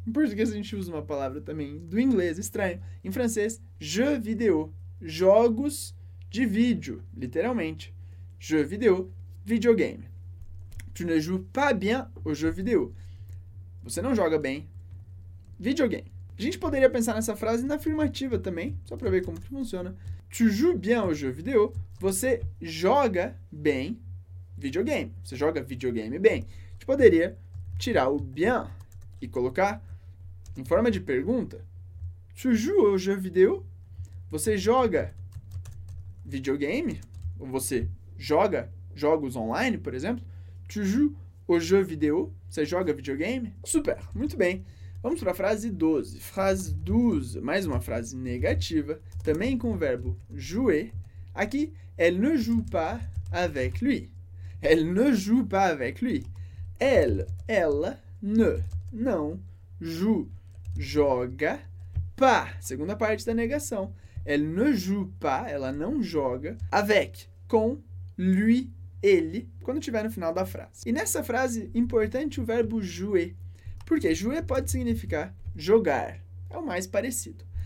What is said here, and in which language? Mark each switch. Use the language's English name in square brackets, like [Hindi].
[Portuguese] Em português a gente usa uma palavra também do inglês, estranho. Em francês, jeu vidéo. Jogos de vídeo, literalmente. Jeu vidéo, videogame. [French] Tu ne joues pas bien au jeu vidéo. [Portuguese] Você não joga bem. Videogame. A gente poderia pensar nessa frase na afirmativa também, só para ver como que funciona. [French] Tu joues bien au jeu vidéo. [Portuguese] Você joga bem videogame. Você joga videogame bem. A gente poderia tirar o bien e colocar em forma de pergunta. [French] Tu joues au jeu vidéo? [Portuguese] Você joga videogame? Ou você joga jogos online, por exemplo? [French] Tu joues au jeu vidéo? [Portuguese] Você joga videogame? Super, muito bem. Vamos para a frase 12. Frase 12, mais uma frase negativa, também com o verbo jouer. Aqui, [French] elle ne joue pas avec lui. Elle ne joue pas avec lui. [Portuguese] Elle, ela, ne, não, joue, joga, pas, segunda parte da negação. [French] Elle ne joue pas, [Portuguese] ela não joga, avec, com, lui, ele, quando tiver no final da frase. E nessa frase, importante o verbo jouer, porque jouer pode significar jogar, é o mais parecido.